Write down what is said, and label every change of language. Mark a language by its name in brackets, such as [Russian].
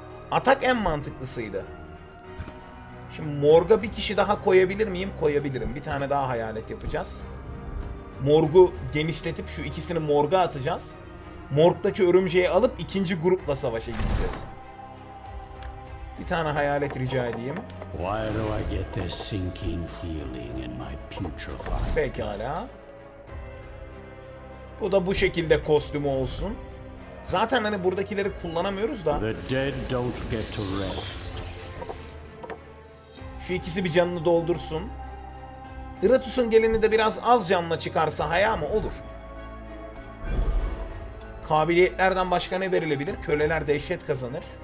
[Turkish] Atak en mantıklısıydı. Şimdi morga bir kişi daha koyabilir miyim? Koyabilirim. Bir tane daha hayalet yapacağız. Morgu genişletip şu ikisini morga atacağız. Morgdaki örümceği alıp ikinci grupla savaşa gideceğiz. Bir tane hayalet rica edeyim. [English] Why do I get this sinking feeling in my putrefied? [Turkish] Pekala. Bu da bu şekilde kostümü olsun. Zaten hani buradakileri kullanamıyoruz da. [English] The dead don't get to rest. [Turkish] Şu ikisi bir canını doldursun. Iratus'un gelini de biraz az canla çıkarsa haya mı olur? Kabiliyetlerden başka ne verilebilir? Köleler dehşet kazanır.